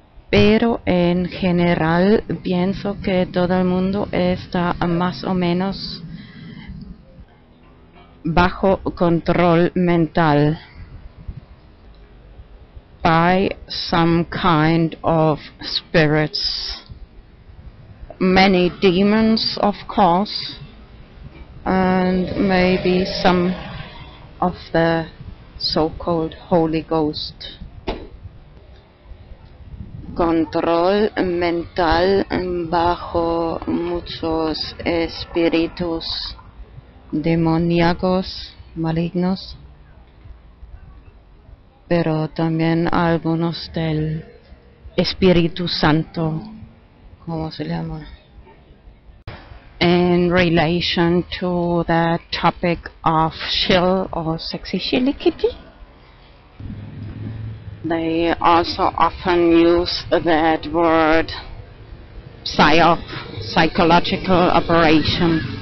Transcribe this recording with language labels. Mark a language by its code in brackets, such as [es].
[es] Pero en general pienso que todo el mundo está más o menos bajo control mental [en] by some kind of spirits. Many demons, of course, and maybe some of the so-called Holy Ghost. [es] Control mental bajo muchos espíritus demoníacos malignos, pero también algunos del Espíritu Santo, ¿cómo se llama? [en] In relation to the topic of Shill or Sexy Shilly Kitty, they also often use that word Psyop, psychological operation.